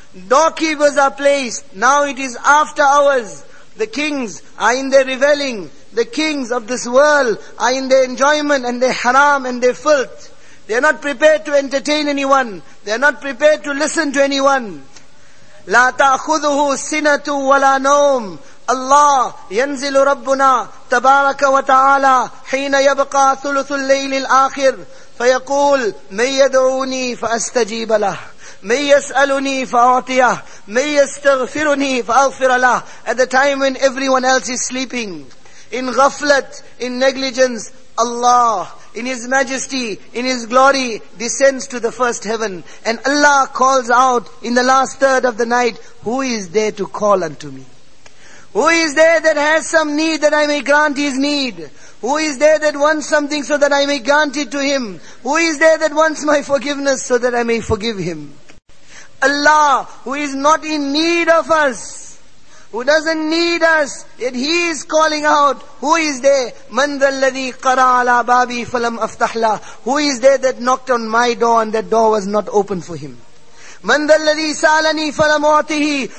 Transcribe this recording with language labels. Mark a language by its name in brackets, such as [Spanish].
[English] Doorkeepers are placed. Now it is after hours. The kings are in their reveling. The kings of this world are in their enjoyment and their haram and their filth. They are not prepared to entertain anyone. They are not prepared to listen to anyone. [Arabic] لا تأخذه سنة ولا نوم. Allah, ينزل ربنا تبارك وتعالى حين يبقى ثلث الليل الآخر فيقول من يدعوني فأستجيب له من يسألني فأعطيه من يستغفرني فأغفر له. [English] At the time when everyone else is sleeping, in ghaflat, in negligence, Allah, in His majesty, in His glory, descends to the first heaven. And Allah calls out in the last third of the night, who is there to call unto me? Who is there that has some need that I may grant his need? Who is there that wants something so that I may grant it to him? Who is there that wants my forgiveness so that I may forgive him? Allah, who is not in need of us, who doesn't need us, yet He is calling out, who is there? [Arabic] مَنْ ذَلَّذِي قَرَى عَلَى بَابِي فَلَمْ أَفْتَحْلَى. [English] Who is there that knocked on my door and that door was not open for him? [Arabic] من ذا الذي سألني فلم أعطه.